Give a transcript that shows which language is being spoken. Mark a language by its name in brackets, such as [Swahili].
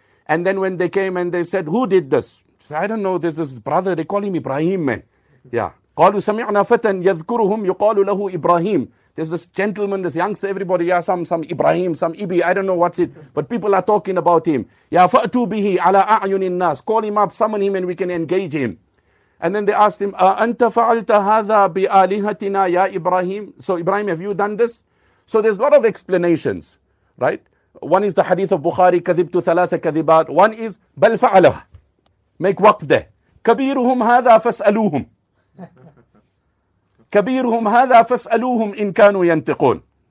[English] And then when they came and they said, who did this? He said, I don't know, there's this brother, they call him Ibrahim, man. Yeah. [Arabic] قَالُوا سَمِعْنَا فَتَنْ يَذْكُرُهُمْ يُقَالُ لَهُ إِبْرَاهِيمُ. [English] There's this gentleman, this youngster, everybody, yeah, some Ibrahim, some Ibi, I don't know what's it, but people are talking about him. [Arabic] يَا فَأْتُوا بِهِ عَلَىٰ أَعْيُنِ النَّاسِ. [English] Call him up, summon him, and we can engage him. And then they asked him, [Arabic] أَنْتَ فَعَلْتَ هَذَا بِآلِهَتِنَا يَا إِبْرَاهِيمُ. [English] So Ibrahim, have you done this? So there's a lot of explanations, right? One is the hadith of Bukhari, [Arabic] كَذِبْتُ ثَلَاثَ كَذِبَاتِ. [English] One is, [Arabic] بَلْ فَعَلَهَ. [English] Make waqf there. [Arabic] كَبِيرُهُمْ هَذَا فَاسْأَلُوهُمْ. كَبِيرُهُمْ هَذَا فَاسْأَلُوهُمْ إِن كَانُوا يَنْتِقُونَ.